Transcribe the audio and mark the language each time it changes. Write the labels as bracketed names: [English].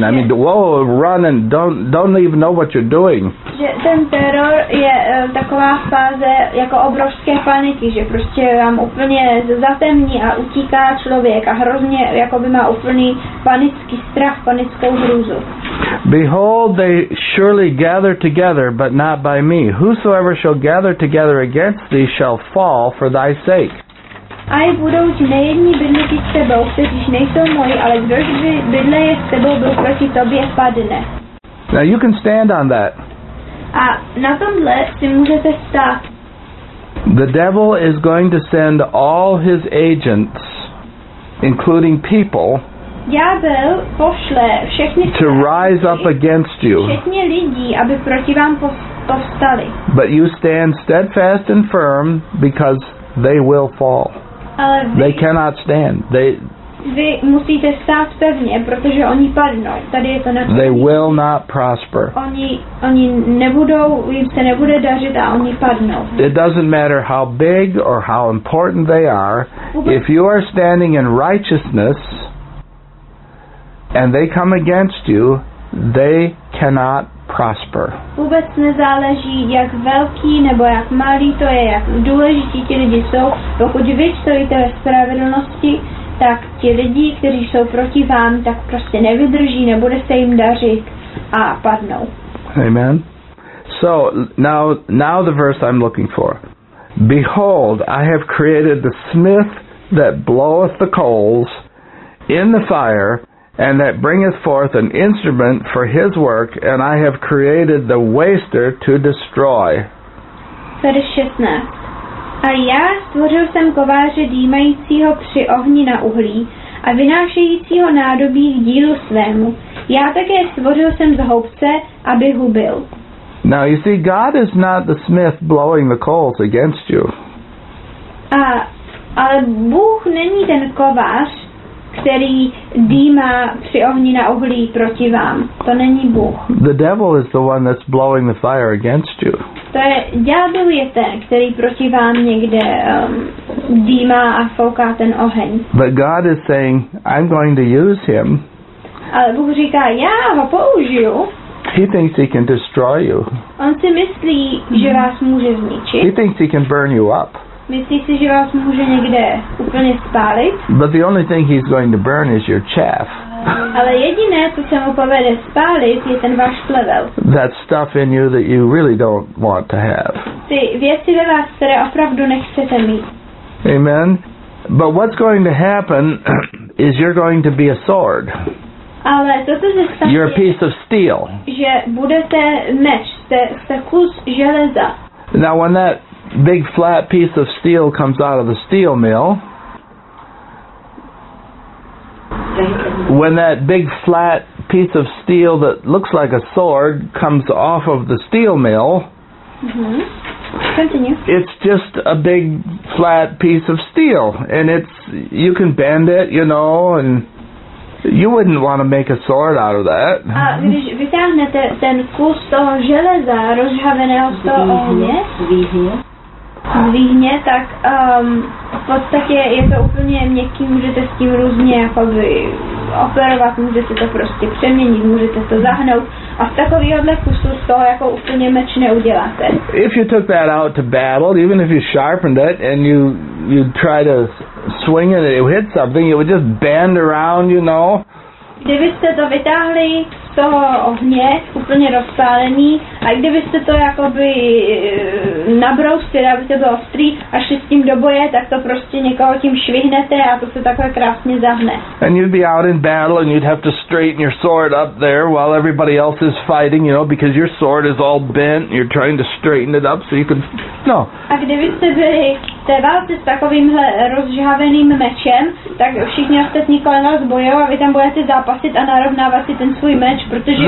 [English] I mean, whoa, run and don't even know what you're doing. [Czech] Že ten teror je taková fáze jako obrovské paniky, že prostě vám úplně zatemní a utíká člověk a hrozně jakoby má úplný panický strach, panickou hrůzu. [English] Behold, they surely gather together, but not by me. Whosoever shall gather together against thee shall fall for thy sake. [Czech] A je budou ti nejedni bydliti s tebou, kteříž nejsou moji, ale kdož by bydleje s tebou, byl proti tobě padne. [English] Now you can stand on that. [Czech] A na tomhle si můžete stát. [English] The devil is going to send all his agents, including people, [Czech] ďábel pošle všechny [English] to rise up against you. [Czech] Všechny lidi, aby proti vám postali. [English] But you stand steadfast and firm because they will fall. They cannot stand. They [Czech] vy musíte stát pevně, protože oni padnou. Tady je to na. [English] They will not prosper. [Czech] Oni nebudou, jim se nebude dařit a oni padnou. [English] It doesn't matter how big or how important they are. If you are standing in righteousness and they come against you, they cannot prosper. [Czech] Vůbec nezáleží, jak velký nebo jak malý to je, jak důležití ti lidi jsou. Pokud vy stojíte ve spravedlnosti, tak ti lidi, kteří jsou proti vám, tak prostě nevydrží, nebude se jim dařit a padnou. [English] Amen. So, now the verse I'm looking for. Behold, I have created the smith that bloweth the coals in the fire, and that bringeth forth an instrument for his work, and I have created the waster to destroy. [Czech] Verš 16. A já stvořil jsem kováře dýmajícího při ohni na uhlí a vynášejícího nádobí k dílu svému. Já také stvořil jsem z houbce, aby hubil. [English] Now you see, God is not the smith blowing the coals against you. [Czech] Ale Bůh není ten kovář, který dýmá při ohni na uhlí proti vám. To není Bůh. [English] The devil is the one that's blowing the fire against you. [Czech] To je, ďábel je ten, který proti vám někde dýmá a fouká ten oheň. [English] But God is saying, I'm going to use him. [Czech] Ale Bůh říká, já ho použiju. [English] He thinks he can destroy you. [Czech] On si myslí, že vás může zničit. [English] He thinks he can burn you up. [Czech] Myslí si, že vás může někde úplně spálit? [English] But the only thing he's going to burn is your chaff. [Czech] Ale jediné, co se mu povede spálit, je ten váš plevel. [English] That stuff in you that you really don't want to have. [Czech] Ty věci ve vás, které opravdu nechcete mít. [English] Amen. But what's going to happen is you're going to be a sword. [Czech] Ale to, co se stane, [English] you're a piece of steel. [Czech] Že budete meč, jste kus železa. [English] Now when that big flat piece of steel comes out of the steel mill, when that big flat piece of steel that looks like a sword comes off of the steel mill, it's just a big flat piece of steel, and it's, you can bend it, you know, and you wouldn't want to make a sword out of that. [Czech] A když vytáhnete ten kus toho železa rozhaveného z toho ohně, zvíhně, tak v podstatě je to úplně měkký, můžete s tím různě jakoby operovat, můžete to prostě přeměnit, můžete to zahnout a z takovéhohle kusu z toho jako úplně meč neuděláte. [English] If you took that out to battle, even if you sharpened it and you try to swing it and it hit something, it would just bend around, you know. [Czech] Kdybyste to vytáhli z toho ohně, úplně rozpálený, a kdybyste to jakoby nabrousili, aby to bylo ostrý, a šli s tím do boje, tak to prostě někoho tím švihnete a to se takhle krásně zahne. [English] And you'd be out in battle and you'd have to straighten your sword up there while everybody else is fighting, you know, because your sword is all bent and you're trying to straighten it up so you can, no. [Czech] A kdybyste byli v té válce s takovýmhle rozžhaveným mečem, tak všichni ostatní kolem vás bojou a vy tam budete zápasit a narovnávat si ten svůj meč, protože...